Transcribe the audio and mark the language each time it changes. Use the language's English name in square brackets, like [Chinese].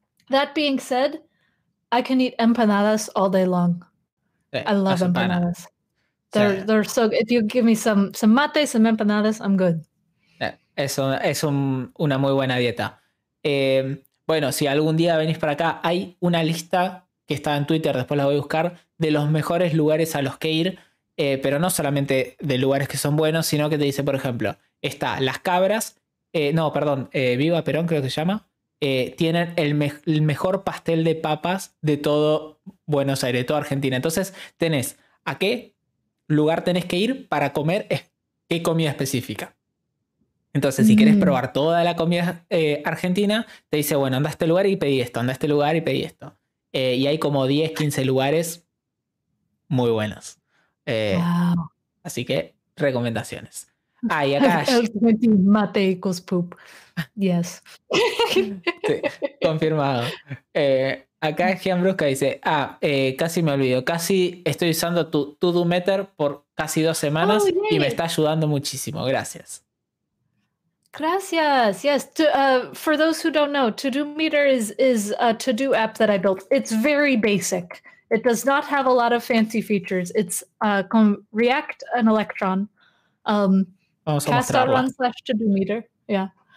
[English] That being said, I can eat empanadas all day long. Yeah, I love empanadas. They're so good. If you give me some mate, some empanadas, I'm good. [Spanish] Eso es una muy buena dieta. Bueno, si algún día venís para acá, hay una lista que está en Twitter, después la voy a buscar, de los mejores lugares a los que ir, pero no solamente de lugares que son buenos, sino que te dice, por ejemplo, está Las Cabras, Viva Perón creo que se llama, tienen el mejor pastel de papas de todo Buenos Aires, de toda Argentina. Entonces tenés a qué lugar tenés que ir para comer qué comida específica. Entonces, si quieres probar toda la comida argentina, te dice, bueno, anda a este lugar y pedí esto, anda a este lugar y pedí esto. Y hay como 10, 15 lugares muy buenos. [English] Wow. [Spanish] Así que, recomendaciones. Ah, y acá... Mate y cuspoop. [English] Yes. [Spanish] Sí, confirmado. Acá Jean Brusca dice, casi me olvido, casi estoy usando tu to-do meter por casi 2 semanas y me está ayudando muchísimo. Gracias. Gracias. [English] Yes. For those who don't know, To-Do Meter is a to-do app that I built. It's very basic. It does not have a lot of fancy features. It's React and Electron. cast.run/to-do-meter. Yeah.